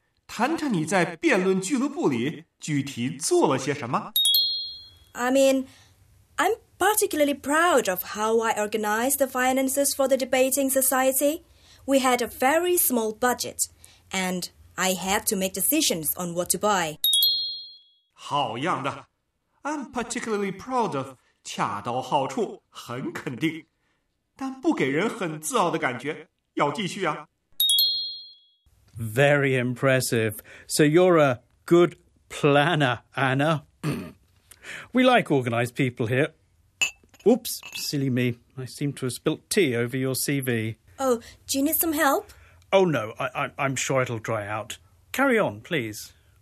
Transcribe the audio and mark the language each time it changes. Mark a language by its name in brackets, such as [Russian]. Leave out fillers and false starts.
[Chinese] 谈谈你在辩论俱乐部里具体做了些什么。 [English] I mean, I'm particularly proud of how I organized the finances for the debating society. We had a very small budget, and I had to make decisions on what to buy. [Chinese] 好样的。 [English] I'm particularly proud of [Chinese] 恰到好处，很肯定，但不给人很自傲的感觉，要继续啊。 [English] Very impressive. So you're a good planner, Anna. We like organized people here. Oops, silly me. I seem to have spilt tea over your CV. Oh, do you need some help? Oh, no. I'm sure it'll dry out. Carry on, please.